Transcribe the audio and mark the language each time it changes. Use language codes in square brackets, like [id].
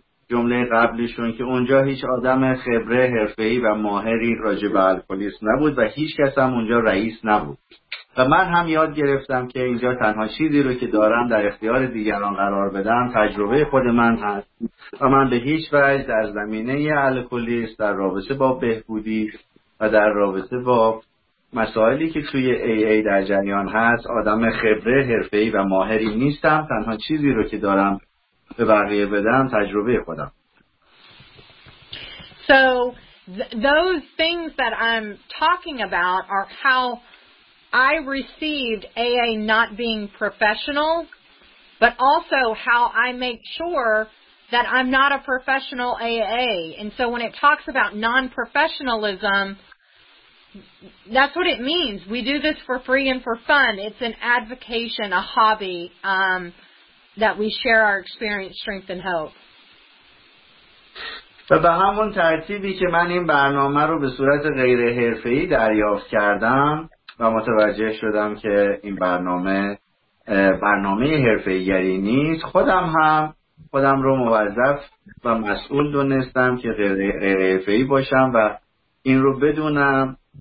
[fa] جمله قبلیشون که اونجا هیچ آدم خبره حرفه‌ای و ماهری راجع به الکلیسم نبود و هیچ کس هم اونجا رئیس نبود و من هم یاد گرفتم که اینجا تنها چیزی رو که دارم در اختیار دیگران قرار بدم تجربه خود من هست و من به هیچ وجه در زمینه الکلیسم در رابطه با بهبودی و در رابطه با مسائلی که توی AA در جریان هست آدم خبره حرفه‌ای و ماهری نیستم. تنها چیزی رو که دارم به بقیه بدم تجربه خودم. [en] So those things that I'm talking about are how I received AA not being professional, but also how I make sure that I'm not a professional AA. And so when it talks about non-professionalism, that's what it means. We do this for free and for fun. It's an advocation, a hobby. That we share our experience, strength, and hope. [fa] و به همون ترتیبی که من این برنامه رو به صورت غیر حرفه‌ای دریافت کردم و متوجه شدم که این برنامه حرفه‌ای نیست، خودم رو موظف و مسئول دونستم که غیر حرفه‌ای باشم و این رو بدونم